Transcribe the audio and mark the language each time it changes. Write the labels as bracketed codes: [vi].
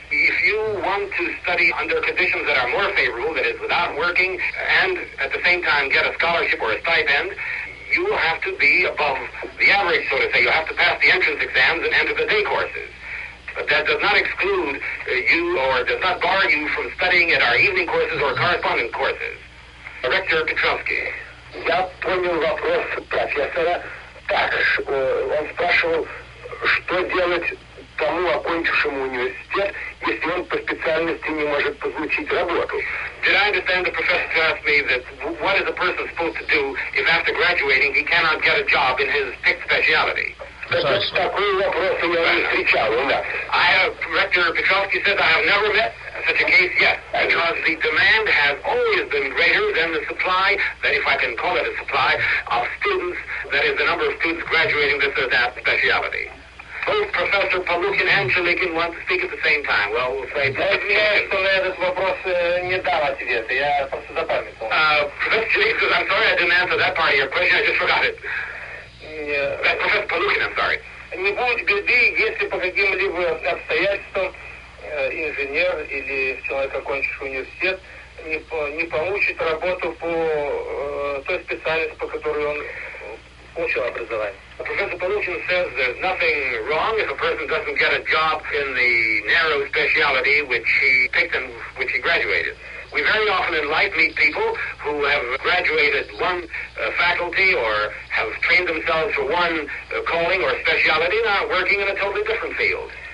[en] If you want to study under conditions that are more favorable, that is, without working, and at the same time get a scholarship or a stipend, you have to be above the average, so to say. You have to pass the entrance exams and enter the day courses. But that does not exclude you or does not bar you from studying at our evening courses or correspondent courses. Rector Petrovsky. [ru] Я понял вопрос профессора так. Он спрашивал, что делать тому окончившему университет, если он по специальности не может получить работу. [en] Did I understand the professor to ask me that what is a person supposed to do if after graduating he cannot get a job in his picked speciality? I have, Rector Petrovsky says, I have never met such a case yet, because the demand has always been greater than the supply, that if I can call it a supply, of students, that is the number of students graduating this or that speciality. Both Professor Palukin and Chalikin want to speak at the same time. Well, we'll say... Professor Chalikin says, I'm sorry I didn't answer that part of your question, I just forgot it. Professor Palukin, I'm sorry. [ru] Не будет беды, если по каким-либо обстоятельствам инженер или человек, окончивший университет, не получит работу по той специальности, по которой он получил образование. [en] Professor Palukin says there's nothing wrong if a person doesn't get a job in the narrow specialty which he picked and which he graduated. We very often in life meet people who have graduated one faculty or have trained themselves for one calling or speciality and are working in a totally different field.